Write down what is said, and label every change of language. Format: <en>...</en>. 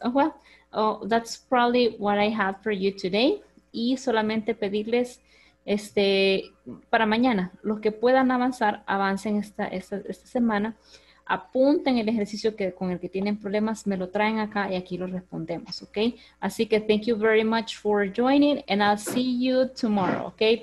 <en>Oh, well, oh, that's probably what I have for you today.</en> <es>Y solamente pedirles Para mañana, los que puedan avanzar, avancen esta semana. Apunten el ejercicio con el que tienen problemas, me lo traen acá y aquí lo respondemos, ¿ok? Así que</es> <en>thank you very much for joining and I'll see you tomorrow, ¿ok?</en>